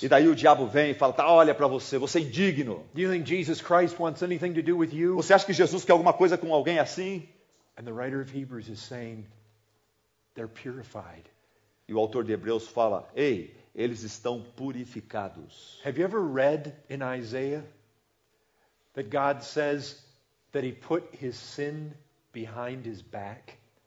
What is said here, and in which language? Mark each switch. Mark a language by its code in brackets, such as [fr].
[pt] E daí o diabo vem e fala: tá, olha para você, você é indigno. [en] Do you think Jesus Christ wants anything to do with you? [pt] Você acha que Jesus quer alguma coisa com alguém assim? [en] And the writer of Hebrews is saying, they're purified. [pt] E o autor de Hebreus fala: ei, eles estão purificados. [en] Have you ever read in Isaiah that God says that he put his sin behind his back?